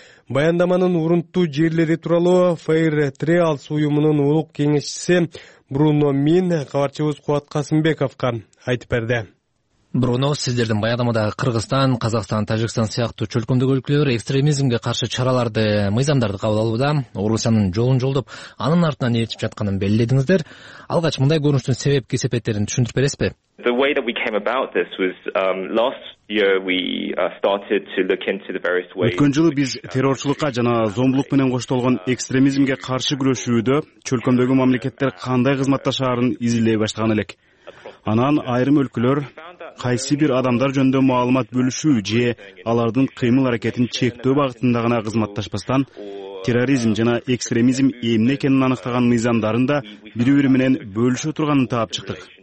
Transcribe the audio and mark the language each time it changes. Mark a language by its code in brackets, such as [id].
[ky] Баяндаманын урунттуу жерлери тууралуу Fair Trials уюмунун улук кеңешчиси Бруно Мин кабарчыбыз Кубат Касымбековго айтып берди. Бруно, сиздердин баяндамадагы Кыргызстан, Казакстан, Тажикстан сыяктуу чөлкөмдүк өлкөлөр экстремизмге каршы чараларды, мыйзамдарды кабыл алууда Орусиянын жолун жолдоп, анын артынан ээрчип жатканын белгиледиңиздер. Алгач мындай көрүнүштүн себеп кесепеттерин түшүндүрүп бересизби? [en] The way that we came about this was last year we started to look into the various ways. [ky] Өткөн жылы биз террорчулукка жана зомбулук менен коштолгон экстремизмге каршы күрөшүүдө чөлкөмдөгү мамлекеттер кандай кызматташарын изилдей баштаган элек. Анан айрым өлкөлөр кайсы бир адамдар жөнүндө маалымат бөлүшүү же алардын кыймыл аракетин чектөө багытында гана кызматташпастан терроризм жана экстремизм эмне экенин аныктаган мыйзамдарын да бири бири менен бөлүшө турганын таап чыктык.